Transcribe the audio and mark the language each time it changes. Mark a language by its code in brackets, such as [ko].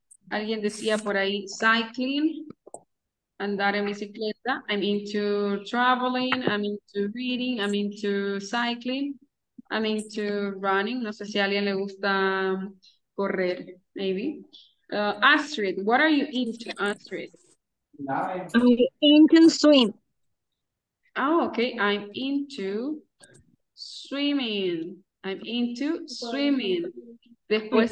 [es] Alguien decía por ahí, cycling, andar en bicicleta. [en] I'm into traveling, I'm into reading, I'm into cycling, I'm into running. [es] No sé si a alguien le gusta correr, maybe. [en] Astrid, what are you into, Astrid? I'm into swim. Oh, okay. I'm into swimming. I'm into swimming. Después